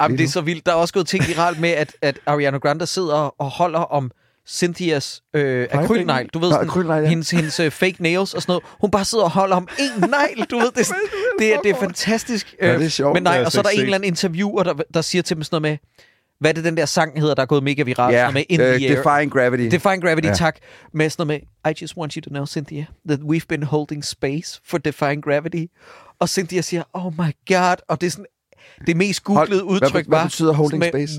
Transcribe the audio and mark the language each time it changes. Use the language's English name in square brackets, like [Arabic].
[Danish] Jamen, det er så vildt. Der er også gået ting i ralt med, at Ariana Grande sidder og holder om Cynthia's akrylnegl. Du ved, hendes fake nails og sådan noget. Hun bare sidder og holder om én negl. Du ved, det er fantastisk. Ja, det er sjovt. Men nej, og så er der en eller anden interviewer, der siger til dem sådan noget med, hvad er det, den der sang hedder, der er gået mega viralt? Ja, Defying Gravity. Defying Gravity, yeah. Tak. Med sådan noget med, [English] I just want you to know, Cynthia, that we've been holding space for Defying Gravity. [Danish] Og Cynthia siger, [English] oh my god. [Danish] Og det er sådan, det mest googlede udtryk var... Hvad betyder holding space?